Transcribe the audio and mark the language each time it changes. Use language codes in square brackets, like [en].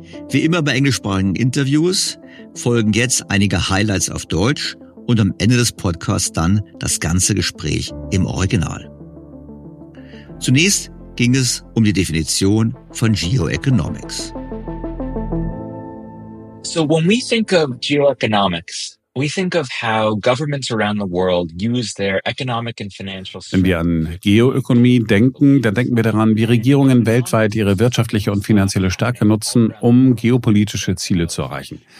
[de] Wie immer bei englischsprachigen Interviews folgen jetzt einige Highlights auf Deutsch und am Ende des Podcasts dann das ganze Gespräch im Original. Zunächst ging es um die Definition von Geoeconomics. [en] So when we think of geoeconomics, we think of how governments around the world use their economic and financial strength. [de] Wenn wir an Geoökonomie denken, dann denken wir daran, wie Regierungen weltweit ihre wirtschaftliche und finanzielle Stärke nutzen, um geopolitische Ziele zu erreichen.